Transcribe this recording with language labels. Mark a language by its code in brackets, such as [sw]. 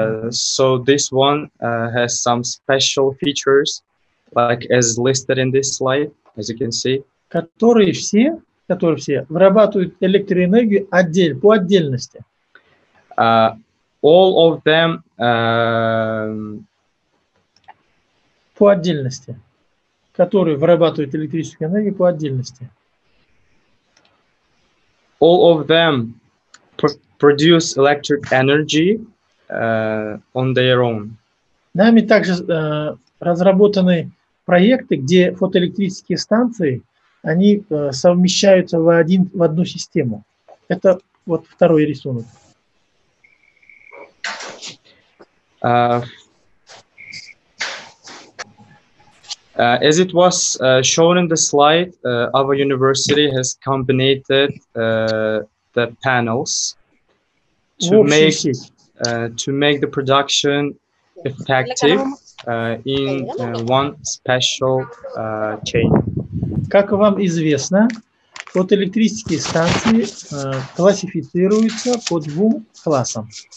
[en] So this one has some special features, like as listed in this slide, as you can see. [ru] которые все вырабатывают электроэнергию по отдельности. [en] All of them. [ru] По отдельности. Которые вырабатывают электрическую энергию по отдельности. [en] All of them produce electric energy on their own. [ru] Нами также разработаны проекты, где фотоэлектрические станции, они совмещаются в одну систему. Это вот второй рисунок. [en] As it was shown in the slide, our university has combined the panels to make the production effective in one special chain. [ru] Как вам известно, фотоэлектрические станции классифицируются по двум классам.